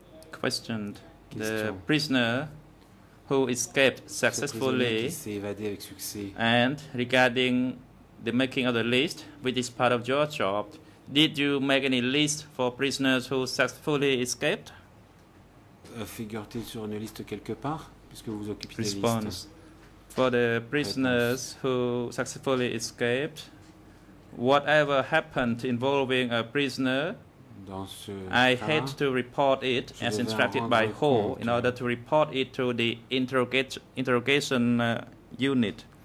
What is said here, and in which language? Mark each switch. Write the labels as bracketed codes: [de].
[en] Questioned. The prisoner who escaped successfully [fr] s'est évadé avec succès. [en] And regarding the making of the list, which is part of your job, did you make any list for prisoners who successfully escaped? [fr] Figure-t-il sur une liste quelque part, puisque vous occupez la liste? [en] Response. For the prisoners who successfully escaped, whatever happened involving a prisoner, I had to report it as instructed by Ho in order to report it to the interrogation unit.